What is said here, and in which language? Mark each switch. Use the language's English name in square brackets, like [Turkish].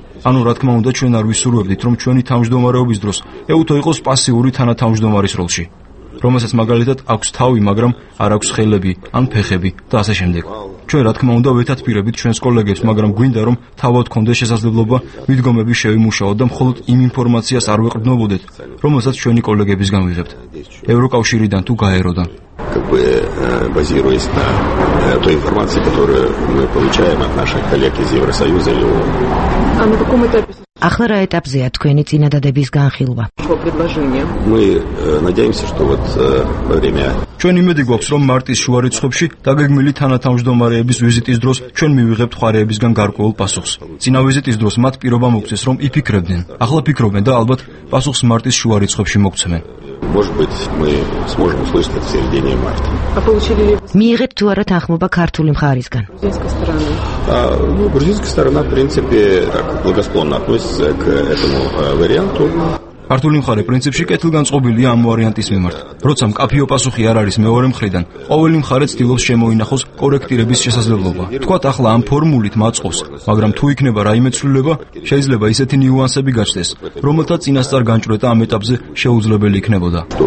[Georgian] ანუ რა თქმა უნდა, ჩვენ არ ვისურვებდით, რომ ჩვენი თავმჯდომარეობის დროს ეუთო იყოს პასიური თანათავმჯდომარის როლში, რომელსაც მაგალითად აქვს თავი, მაგრამ არ აქვს ხელები ან ფეხები და ასე შემდეგ. ჩვენ რა თქმა უნდა ვეთად პირებით ჩვენს კოლეგებს, მაგრამ გვინდა, რომ თავად ქონდეს შესაძლებლობა მიდგომები შევიმუშაოთ და მხოლოდ იმ ინფორმაციას არ ვეყრდნობოდეთ, რომელსაც ჩვენი კოლეგების გამიღებთ ევროკავშირიდან თუ გაეროდან. [Russian] базируясь на той информации, которую мы получаем от наших коллег из Евросоюза или [Georgian] ახლა რა ეტაპზეა თქვენი წინადადების განხილვა? [Russian] Мы надеемся, что вот время. [Georgian] ჩვენ იმედი გვაქვს, რომ მარტის შუა რიცხვებში დაგეგმილი თანათავმჯდომარეების ვიზიტის დროს ჩვენ მივიღებთ ხარეებისგან გარკვეულ პასუხს. წინა ვიზიტის დროს მათ პირობა მოგცეს, რომ იფიქრებდნენ. ახლა ფიქრობენ და ალბათ პასუხს მარტის შუა რიცხვებში მოგცემენ. [Russian] Может быть, мы сможем услышать это в середине марта. А получили ли вы? [Georgian] Миигет ту ара тахмоба картული მხარისგან. [Russian] Грузинская сторона, в принципе, так благосклонно относится к этому варианту. [Georgian] ქართული მხარე პრინციპში კეთილგანწყობილია ამ ვარიანტის მიმართ. როცა მკაფიო პასუხი არ არის მეორე მხრიდან, ყოველი მხარე ცდილობს შემოინახოს კორექტირების შესაძლებლობა. თქვათ, ახლა ამ ფორმულით მაწყობს, მაგრამ თუ იქნება რაიმე ცვლილება, შეიძლება ისეთი ნიუანსები გაჩნდეს, რომელთა წინასწარ განჭრეტა ამ ეტაპზე შეუძლებელი იქნებოდა.